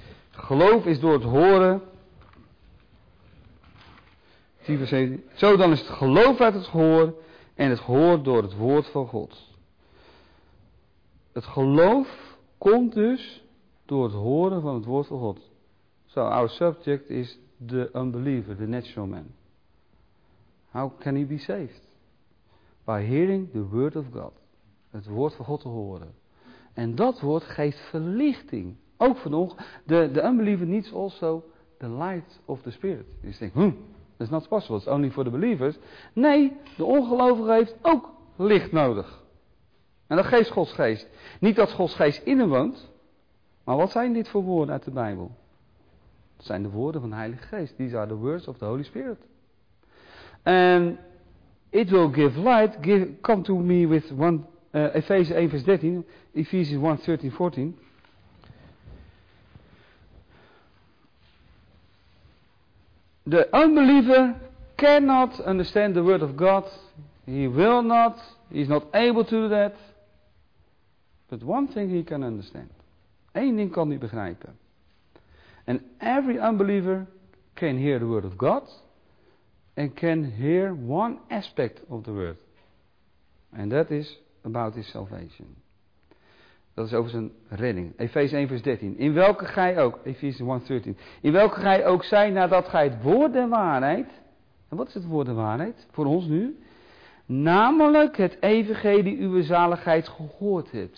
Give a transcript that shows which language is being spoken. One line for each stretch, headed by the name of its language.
Dutch: Geloof is door het horen. 10 vers 17. Zo dan is het geloof uit het gehoor en het gehoor door het woord van God. Het geloof komt dus door het horen van het woord van God.
English: So our subject is the unbeliever, the natural man. How can he be saved? By hearing the word of God.
Dutch: Het woord van God te horen. En dat woord geeft verlichting. Ook van
English: the unbeliever needs also the light of the spirit.
Dutch: Dus denk,
English: that's not possible, it's only for the believers.
Dutch: Nee, de ongelovige heeft ook licht nodig. En dat geeft Gods geest. Niet dat Gods geest in hem woont. Maar wat zijn dit voor woorden uit de Bijbel? Het zijn de woorden van de Heilige Geest.
English: These are the words of the Holy Spirit. And it will give light. Come to me with Ephesians 1 vers 13. Ephesians 1 13 14. The unbeliever cannot understand the word of God. He will not. He is not able to do that. But one thing he can understand. Eén ding kan hij begrijpen. And every unbeliever can hear the word of God. And can hear one aspect of the word. And that is about his salvation.
Dutch: Dat is over zijn redding. Efeze 1 vers 13. In welke gij ook, Efeze 1 13. In welke gij ook zij nadat gij het woord der waarheid. En wat is het woord der waarheid voor ons nu? Namelijk het evangelie uw zaligheid gehoord hebt.